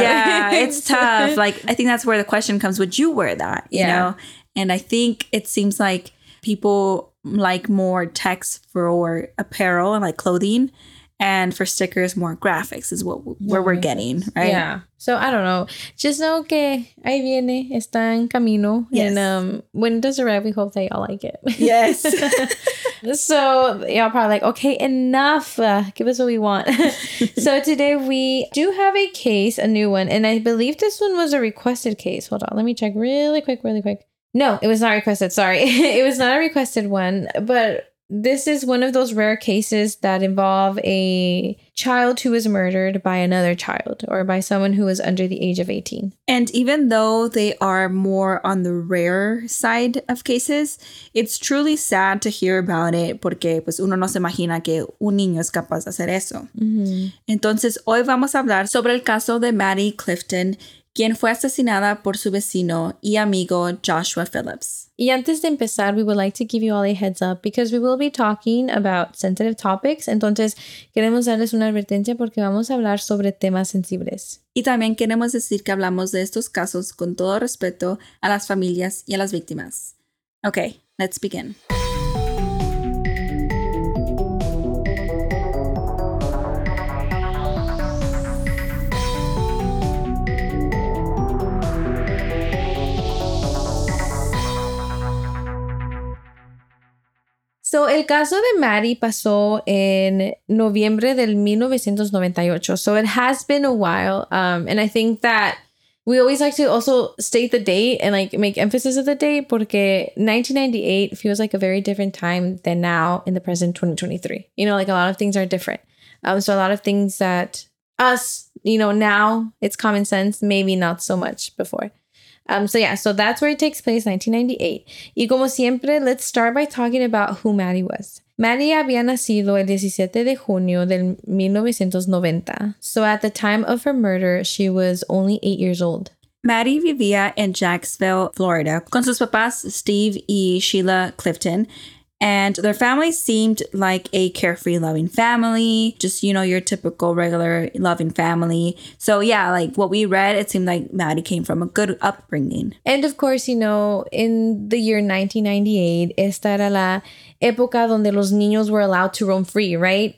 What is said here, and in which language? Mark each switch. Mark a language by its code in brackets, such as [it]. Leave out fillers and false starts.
[en] Yeah, it's tough. Like, I think that's where the question comes. Would you wear that? You know? And I think it seems like people like more text for apparel and like clothing. And for stickers, more graphics is what we're getting, right? Yeah. So I don't know. Just know [es] que ahí viene, está en camino. [en] Yes. And when it does arrive, we hope that y'all like it. Yes. So y'all probably like, okay, enough. Give us what we want. So today we do have a case, a new one. And I believe this one was a requested case. Hold on. Let me check really quick. No, it was not requested. Sorry. It was not a requested one, but this is one of those rare cases that involve a child who was murdered by another child or by someone who was under the age of 18. And even though they are more on the rare side of cases, it's truly sad to hear about it [es] porque pues uno no se imagina que un niño es capaz de hacer eso. [en] Mm-hmm. [es] Entonces, hoy vamos a hablar sobre el caso de Maddie Clifton, quien fue asesinada por su vecino y amigo Joshua Phillips. Y antes de empezar, [en] we would like to give you all a heads up because we will be talking about sensitive topics. [es] Entonces, queremos darles una advertencia porque vamos a hablar sobre temas sensibles. Y también queremos decir que hablamos de estos casos con todo respeto a las familias y a las víctimas. [en] Okay, let's begin. [es] So, el caso de Maddie pasó en noviembre del 1998. [en] So, it has been a while. And I think that we always like to also state the date and like make emphasis of the date porque 1998 feels like a very different time than now in the present 2023. You know, like a lot of things are different. So, a lot of things that us, you know, now it's common sense, maybe not so much before. So yeah, so that's where it takes place, 1998. [es] Y como siempre, [en] let's start by talking about who Maddie was. [es] Maddie había nacido el 17 de junio del 1990. [en] So at the time of her murder, she was only 8 years old. [es] Maddie vivía en Jacksonville, Florida, con sus papás Steve y Sheila Clifton. [en] And their family seemed like a carefree, loving family. Just, you know, your typical, regular, loving family. So, yeah, like what we read, it seemed like Maddie came from a good upbringing. And of course, you know, in the year 1998, [es] esta era la época donde los niños [en] were allowed to roam free, right?